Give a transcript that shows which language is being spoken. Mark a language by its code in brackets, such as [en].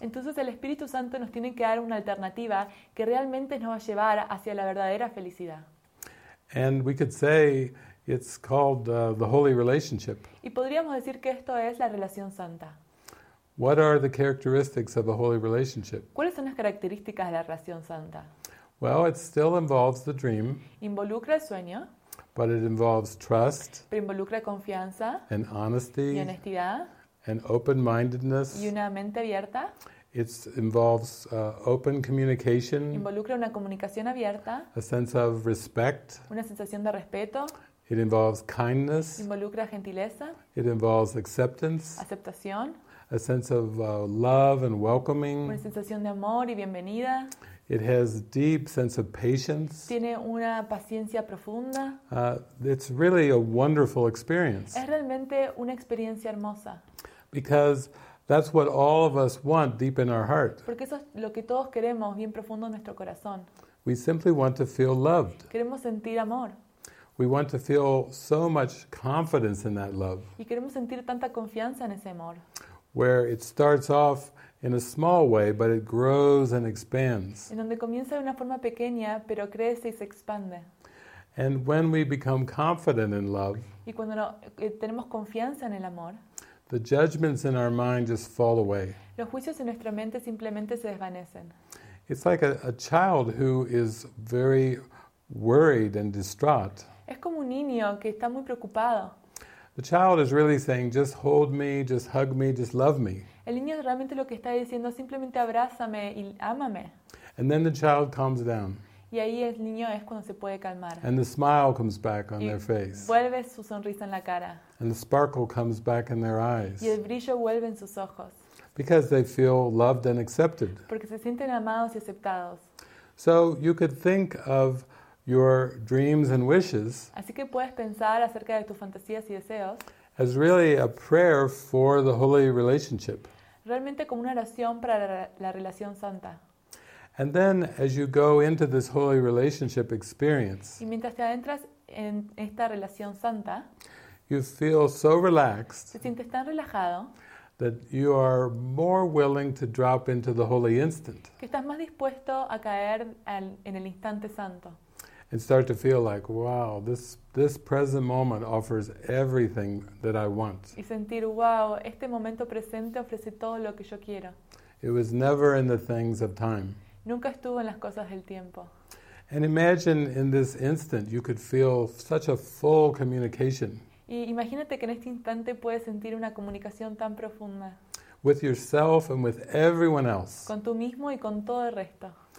[es] Entonces el Espíritu Santo nos tiene que dar una alternativa que realmente nos va a llevar hacia la verdadera felicidad. [en] And we could say it's called the holy relationship. [es] Y podríamos decir que esto es la relación santa. [en] What are the characteristics of a holy relationship? [es] ¿Cuáles son las características de la relación santa? [en] Well, it still involves the dream. [es] Involucra el sueño. [en] But it involves trust. [es] Pero involucra confianza. [en] And honesty. [es] Y honestidad. [en] And open-mindedness. [es] Y una mente abierta. [en] It involves open communication. [es] Involucra una comunicación abierta. [en] A sense of respect. [es] Una sensación de respeto. [en] It involves kindness. [es] Involucra gentileza. [en] It involves acceptance. [es] Aceptación. [en] A sense of love and welcoming. [es] Una sensación de amor y bienvenida. [en] It has deep sense of patience. [es] Tiene una paciencia profunda. [en] It's really a wonderful experience. [es] Es realmente una experiencia hermosa. [en] Because that's what all of us want deep in our heart. [es] Porque eso es lo que todos queremos bien profundo en nuestro corazón. [en] We simply want to feel loved. [es] Queremos sentir amor. [en] We want to feel so much confidence in that love. [es] Y queremos sentir tanta confianza en ese amor. [en] Where it starts off in a small way, but it grows and expands. [es] En donde comienza de una forma pequeña, pero crece y se expande. [en] And when we become confident in love, [es] y cuando tenemos confianza en el amor, [en] the judgments in our mind just fall away. [es] Los juicios en nuestra mente simplemente se desvanecen. [en] It's like a child who is very worried and distraught. [es] Es como un niño que está muy preocupado. [en] The child is really saying, just hold me, just hug me, just love me. [es] El niño realmente lo que está diciendo, simplemente abrázame y ámame. [en] And then the child calms down. [es] Y ahí el niño es cuando se puede calmar. [en] And the smile comes back on their face. [es] Y vuelve su sonrisa en la cara. [en] And the sparkle comes back in their eyes. [es] Y el brillo vuelve en sus ojos. [en] Because they feel loved and accepted. [es] Porque se sienten amados y aceptados. [en] So you could think of your dreams and wishes. [es] Así que puedes pensar acerca de tus fantasías y deseos. [en] As really a prayer for the holy relationship. [es] Realmente como una oración para la relación santa. [en] And then as you go into this holy relationship experience. [es] Y mientras te adentras en esta relación santa. [en] You feel so relaxed. [es] Te sientes tan relajado. [en] That you are more willing to drop into the holy instant. [es] Que estás más dispuesto a caer en el instante santo. [en] And start to feel like, wow, this present moment offers everything that I want. [es] Y sentir, wow, este momento presente ofrece todo lo que yo quiero. [en] It was never in the things of time. [es] Nunca estuvo en las cosas del tiempo. [en] And imagine in this instant you could feel such a full communication. [es] Y imagínate que en este instante puedes sentir una comunicación tan profunda. [en] With yourself and with everyone else. [es] Con tú mismo y con todo el resto.